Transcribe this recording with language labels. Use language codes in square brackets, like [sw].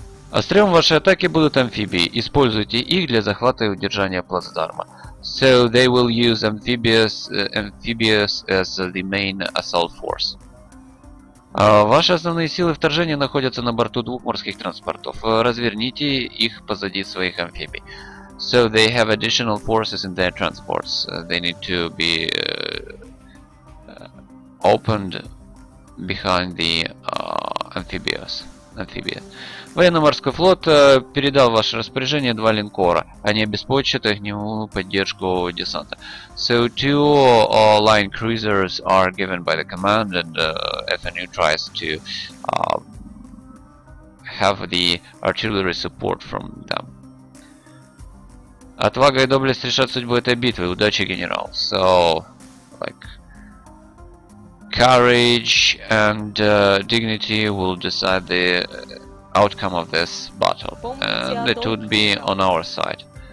[ru] Острём вашей атаки будут амфибии. Используйте их для захвата и удержания плацдарма. [en] So they will use amphibious as the main assault force. [ru] Ваши основные силы вторжения находятся на борту двух морских транспортов. Разверните их позади своих амфибий. [en] So they have additional forces in their transports. They need to be opened behind the amphibious. [ru] Военно-морской флот передал ваше распоряжение два линкора. Они обеспечат огневую поддержку десанта. [en] So two line cruisers are given by the command, and FNU tries to have the artillery support from them. [ru] Отвага и доблесть решат судьбу этой битвы. Удачи, генерал. [en] So, like, courage and dignity will decide the outcome of this battle, and it would be on our side.